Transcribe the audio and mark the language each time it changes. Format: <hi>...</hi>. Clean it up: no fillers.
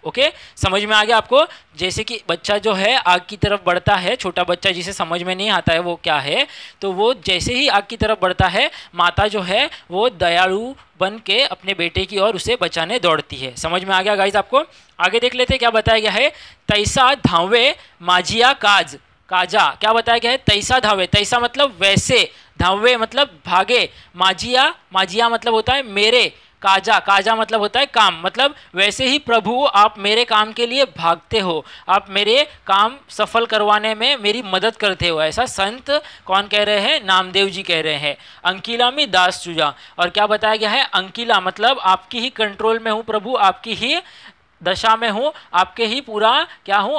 <hi>Okay समझ में आ गया आपको? जैसे कि बच्चा जो है आग की तरफ बढ़ता है, छोटा बच्चा जिसे समझ में नहीं आता है वो क्या है, तो वो जैसे ही आग की तरफ बढ़ता है माता जो है वो दयालु बन के अपने बेटे की ओर उसे बचाने दौड़ती है। समझ में आ गया गाइज आपको? आगे देख लेते क्या बताया गया है।</hi> <mr>तैसा धावे माझिया काज काजा।</mr> <hi>क्या बताया गया है? तैसा धावे, तैसा मतलब वैसे, धावे मतलब भागे, माझिया, माझिया मतलब होता है मेरे, काजा, काजा मतलब होता है काम, मतलब वैसे ही प्रभु आप मेरे काम के लिए भागते हो, आप मेरे काम सफल करवाने में मेरी मदद करते हो। ऐसा संत कौन कह रहे हैं? नामदेव जी कह रहे हैं।</hi> <mr>अंकिला में दास चूजा,</mr> <hi>और क्या बताया गया है? अंकिला मतलब आपकी ही कंट्रोल में हूँ प्रभु, आपकी ही दशा में हूँ, आपके ही पूरा क्या हूँ?</hi>